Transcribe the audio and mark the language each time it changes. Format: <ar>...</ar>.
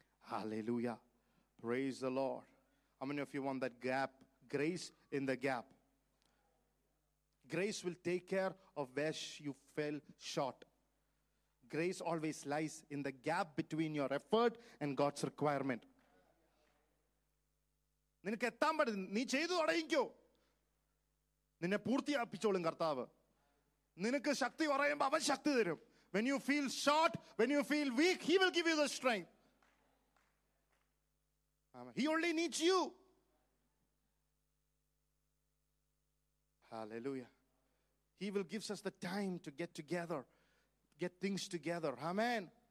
<en>Hallelujah. Praise the Lord. How many of you want that gap? Grace in the gap. Grace will take care of where you fell short. Grace always lies in the gap between your effort and God's requirement.</en> <ml>നിനക്ക് എത്താൻ പറ്റും, നീ ചെയ്തു തുടങ്ങിക്കോ, നിന്നെ പൂർത്തിയാപ്പിച്ചോളും കർത്താവ്. നിനക്ക് ശക്തി പറയുമ്പോ അവൻ ശക്തി തരും.</ml> <en>When you feel short, when you feel weak, he will give you the strength. He only needs you. Hallelujah. He will give us the time to get together, get things together. Amen.</en>